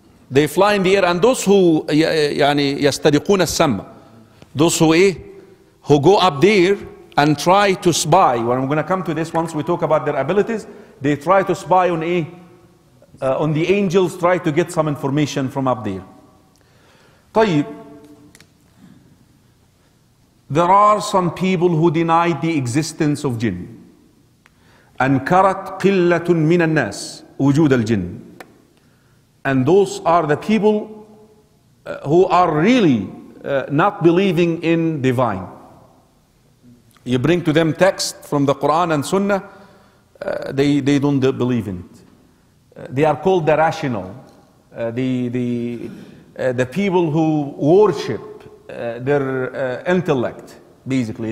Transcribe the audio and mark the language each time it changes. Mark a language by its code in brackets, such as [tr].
[en] They fly in the air, and those who [ar] يستدقون السم, [en] those who go up there and try to spy, when I'm going to come to this once we talk about their abilities, they try to spy on the angels, try to get some information from up there. طيب, there are some people who deny the existence of jinn. [ar] أنكرت قلة من الناس وجود الجن. [en] And those are the people who are really not believing in divine. You bring to them text from the Quran and Sunnah, they don't believe in it. They are called the rational. The people who worship their intellect, basically.